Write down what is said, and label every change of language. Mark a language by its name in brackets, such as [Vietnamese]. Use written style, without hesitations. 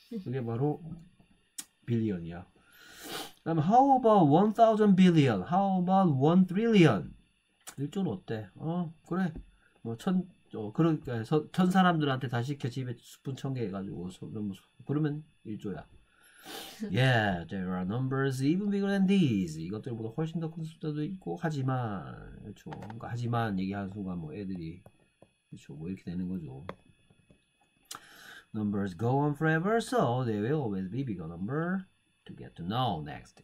[Korean] 그게 바로 빌리언이야. 그럼 [English] how about 1,000 billion? How about 1 trillion? [Korean] 1조는 어때? 어, 그래. 뭐 천, 어, 그러니까 천 사람들한테 다 시켜 집에 스푼 1,000개 해가지고 그러면 1조야. [English] Yeah, there are numbers even bigger than these. [Korean] 이것들보다 훨씬 더큰 숫자도 있고 하지만, 그렇죠. 그러니까 하지만 얘기하는 순간 뭐 애들이 그렇죠. 뭐 이렇게 되는 거죠. [English] Numbers go on forever, so they will always be bigger number to get to know next.